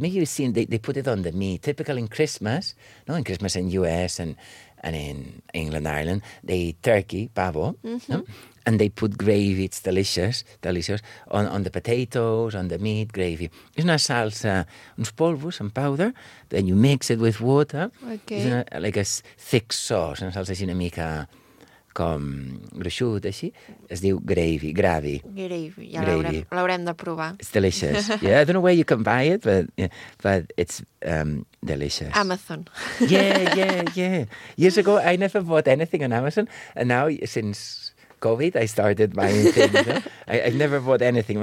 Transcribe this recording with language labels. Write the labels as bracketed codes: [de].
[en] Maybe you've seen they put it on the meat. Typical in Christmas, no? In Christmas in US and in England, Ireland, they eat turkey, pavo, mm-hmm. No? And they put gravy, it's delicious, delicious, on the potatoes, on the meat, gravy. It's [ca] una salsa, uns polvos, [en] some powder, then you mix it with water. Okay. It's like a thick sauce, [ca] una salsa així una mica com gruixut, així. Es diu gravy, gravy. Gravy, ja l'haurem de provar. [en] It's delicious. Yeah, I don't know where you can buy it, but it's delicious. Amazon. Yeah. Years ago, I never bought anything on Amazon, and now, since... COVID, I started buying things. I've never bought anything.